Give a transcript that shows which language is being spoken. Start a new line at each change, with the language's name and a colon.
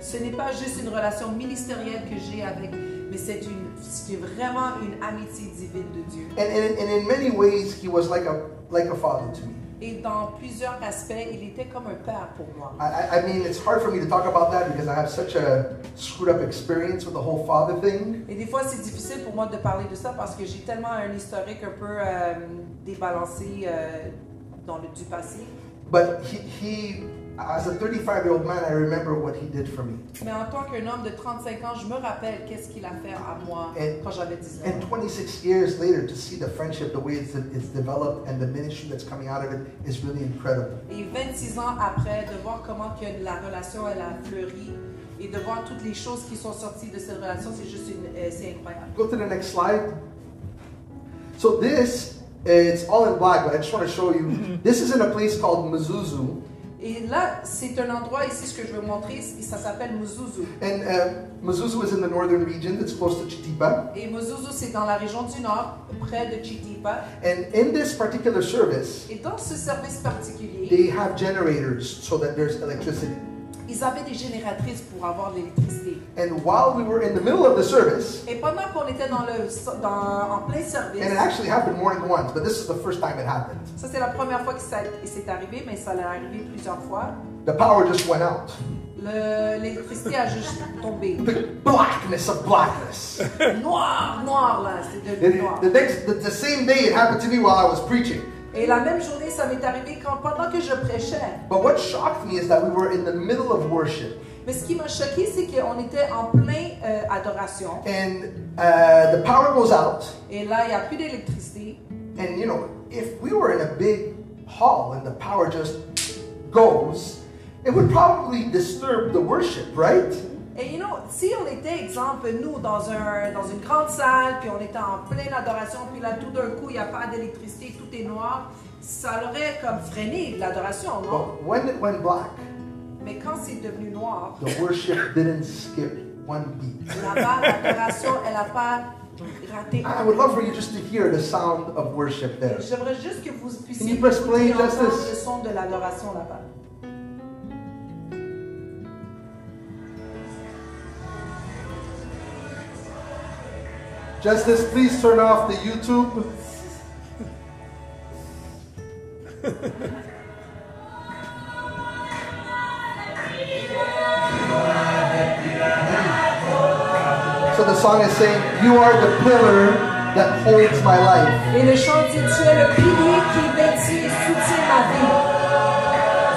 French: Ce n'est pas juste une relation ministérielle que j'ai avec, mais c'est vraiment une amitié divine de Dieu.
English: And in many ways, he was like a father to me.
French: Et dans plusieurs aspects, il était comme un père pour moi.
English: I mean, it's hard for me to talk about that because I have such a screwed up experience with the whole father thing.
French: Et des fois, c'est difficile pour moi de parler de ça parce que j'ai tellement un historique un peu débalancé dans le du passé.
English: But he, as a 35-year-old man, I remember what he did for me.
French: Mais en tant qu'un homme de 35 ans, je me rappelle qu'est-ce qu'il a fait à moi quand j'avais 19 ans.
English: And 26 years later, to see the friendship, the way it's developed, and the ministry that's coming out of it is really incredible.
French: Et 26 ans après, de voir comment que la relation elle a fleuri et de voir toutes les choses qui sont sorties de cette relation, c'est juste c'est incroyable.
English: Go to the next slide. So this. It's all in black, but I just want to show you. This is in a place called Mzuzu.
French: Et là, c'est un endroit ici, ce que je veux montrer, et ça s'appelle Mzuzu.
English: And Mzuzu is in the northern region, that's close to Chitipa.
French: Et Mzuzu, c'est dans la région du nord, près de Chitipa.
English: And in this particular service,
French: et dans ce service particulier,
English: they have generators so that there's electricity.
French: Ils avaient des génératrices pour avoir de l'électricité.
English: And while we were in the middle of the service,
French: et pendant qu'on était en plein service,
English: and it actually happened more than once, but this is the first time it happened.
French: Ça c'est la première fois que ça s'est arrivé, mais ça l'est arrivé plusieurs fois.
English: The power just went out.
French: L'électricité a juste tombé.
English: The blackness of blackness.
French: Noir là, c'est devenu noir.
English: The same day it happened to me while I was preaching.
French: Et la même journée, ça m'est arrivé quand, pendant que je prêchais.
English: But what shocked me is that we were in the middle of worship.
French: Mais ce qui m'a choqué, c'est qu'on était en plein adoration.
English: And the power goes out.
French: Et là, il y a plus d'électricité.
English: And you know, if we were in a big hall and the power just goes, it would probably disturb the worship, right?
French: Et
English: you know,
French: si on était, exemple, nous, dans une grande salle, puis on était en pleine adoration, puis là, tout d'un coup, il n'y a pas d'électricité, tout est noir, ça aurait comme freiné l'adoration, non?
English: But when it went black,
French: mais quand c'est devenu noir,
English: the worship didn't skip one beat.
French: Là-bas, l'adoration, elle n'a pas...
English: I would love for you just to hear the sound of worship there.
French: J'aimerais juste que vous puissiez entendre le son de l'adoration là-bas.
English: Justice, please turn off the YouTube. So the song is saying, you are the pillar that holds my life.
French: Et le chant dit, tu es le pilier qui bâtit et soutient ma vie.